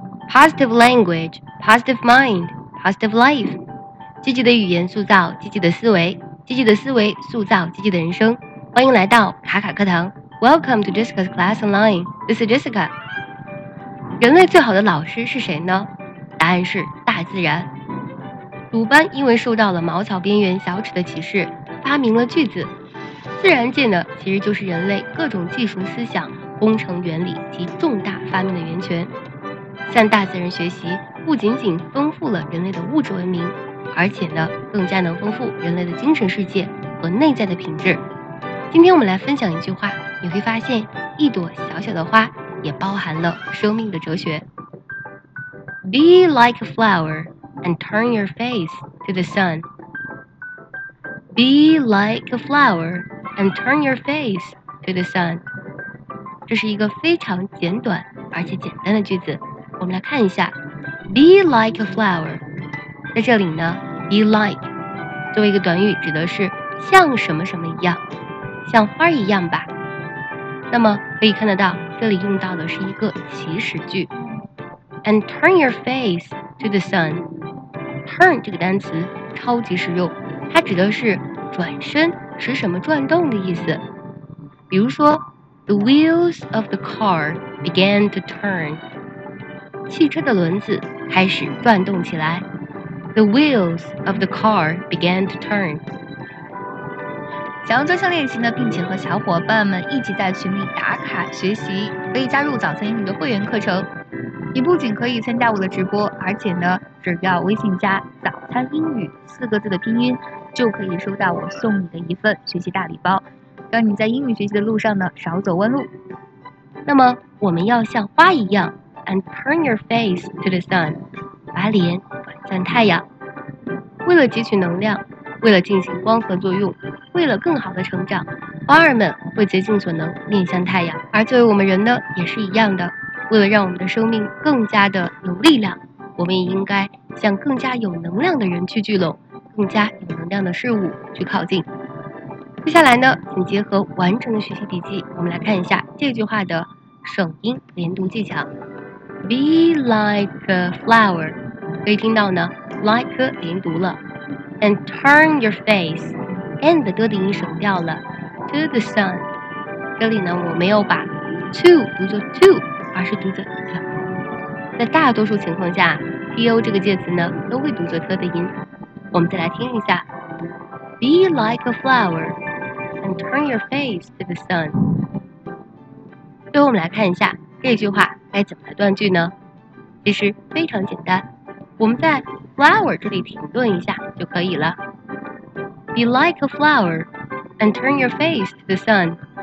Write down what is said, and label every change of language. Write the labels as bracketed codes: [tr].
[en] positive language, positive mind, positive life. [zh] 积极的语言塑造积极的思维，积极的思维塑造积极的人生。 [en] 欢迎来到卡卡课堂。 Welcome to Jessica's class online. This is Jessica. [zh] 人类最好的老师是谁呢？答案是大自然。鲁班因为受到了茅草边缘小齿的启示，发明了锯子。自然界呢，其实就是人类各种技术、思想、工程原理及重大发明的源泉。向大自然学习，不仅仅丰富了人类的物质文明，而且呢，更加能丰富人类的精神世界和内在的品质。今天我们来分享一句话，你会发现，一朵小小的花也包含了生命的哲学。 [en] Be like a flower and turn your face to the sun. Be like a flower and turn your face to the sun. [zh] 这是一个非常简短而且简单的句子。我们来看一下 ， be like a flower，在这里呢 ，be like 作为一个短语，指的是像什么什么一样，像花一样吧。那么可以看得到，这里用到的是一个祈使句。 And turn your face to the sun， turn 这个单词超级实用，它指的是转身，使什么转动的意思。 [en] 比如说，the wheels of the car began to turn。 [zh] 汽车的轮子开始转动起来。 [en] The wheels of the car began to turn. [zh] 想要专项练习呢，并且和小伙伴们一起在群里打卡学习，可以加入早餐英语的会员课程。你不仅可以参加我的直播，而且呢，只要微信加早餐英语四个字的拼音，就可以收到我送你的一份学习大礼包，让你在英语学习的路上呢少走弯路。那么我们要像花一样 And turn your face to the sun，把脸转向太阳。为了汲取能量，为了进行光合作用，为了更好的成长，花儿们会竭尽所能面向太阳。而作为我们人呢，也是一样的。为了让我们的生命更加的有力量，我们也应该向更加有能量的人去聚拢，更加有能量的事物去靠近。接下来呢，请结合完整的学习笔记，我们来看一下这句话的省音连读技巧。 Be like a flower，可以听到呢 ，like 连读了 ， and turn your face， and 的的音省掉了 ， to the sun。这里呢，我没有把 to 读作 to， 而是读作 the。在大多数情况下 ，to 这个介词呢，都会读作 the 的音。我们再来听一下 ， Be like a flower， and turn your face to the sun。最后，我们来看一下这句话。该怎么来断句呢？其实非常简单，我们在 flower 这里停顿一下就可以了。 Be like a flower and turn your face to the sun.